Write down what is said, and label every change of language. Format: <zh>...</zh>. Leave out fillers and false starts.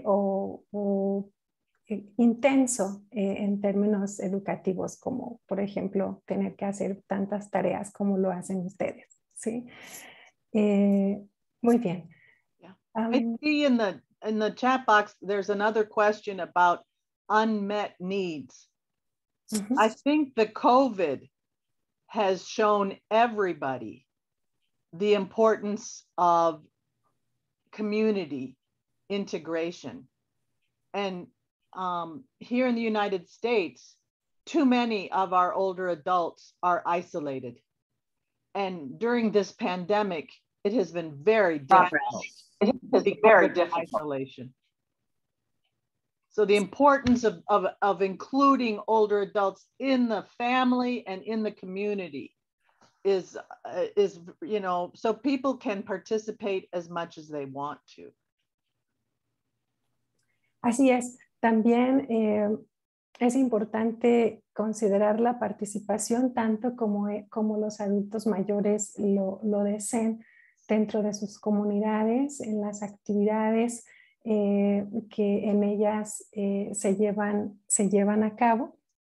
<es>O intenso en términos educativos, como por ejemplo tener que hacer tantas tareas como lo hacen ustedes, ¿sí? Muy bien.</es> <en>I see in the chat box, there's another question about unmet needs. Mm-hmm. I think the COVID has shown everybody the importance of community integration. And here in the United States, too many of our older adults are isolated. And during this pandemic, it has been very difficult. Isolation. So the importance of including older adults in the family and in the community is you know, so people can participate as much as they want to.</en> <es>Así es. También es importante considerar la participación tanto como los adultos mayores lo deseen dentro de sus comunidades, en las actividades que en ellas se llevan a cabo,</es>